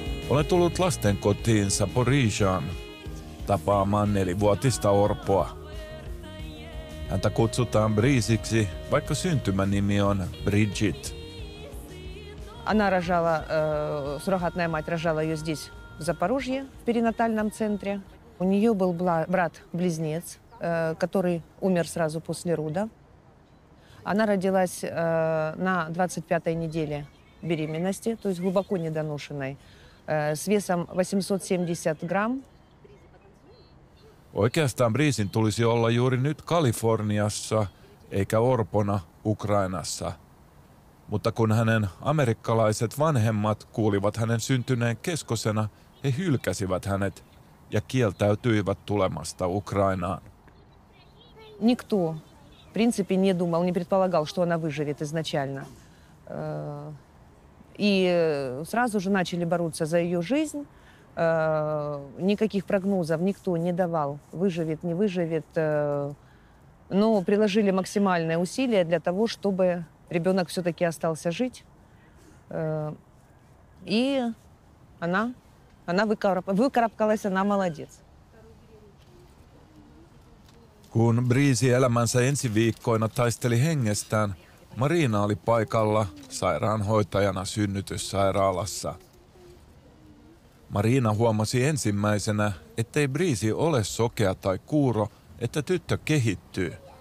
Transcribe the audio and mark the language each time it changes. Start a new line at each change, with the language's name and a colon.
Finnish: Olen tullut lasten kotiin Zaporizhzhiaan tapaamaan 4-vuotista orpoa. Häntä kutsutaan Briisiksi, vaikka syntymänimi on Bridget.
Russian: Она рожала, суррогатная мать рожала ее здесь, в Запорожье, в перинатальном центре. У нее был брат-близнец, который умер сразу после родов. Она родилась на 25-й неделе беременности, то есть глубоко недоношенной, с весом 870 грамм.
Finnish: Oikeastaan Briisin tulisi olla juuri nyt Kaliforniassa, eikä orpona Ukrainassa. Mutta kun hänen amerikkalaiset vanhemmat kuulivat hänen syntyneen keskosena, he hylkäsivät hänet ja kieltäytyivät tulemasta Ukrainaan.
Russian: Никто, в принципе, не думал, не предполагал, что она выживет изначально. И сразу же начали бороться за ее жизнь. Никаких прогнозов никто не давал, выживет, не выживет. Но приложили максимальные усилия для того, чтобы ребенок все-таки остался жить. И она выкарабкалась, она молодец.
Finnish: Kun Briisi elämänsä ensi viikkoina taisteli hengestään, Marina oli paikalla sairaanhoitajana synnytyssairaalassa. Marina huomasi ensimmäisenä, ettei Briisi ole sokea tai kuuro, että tyttö kehittyy.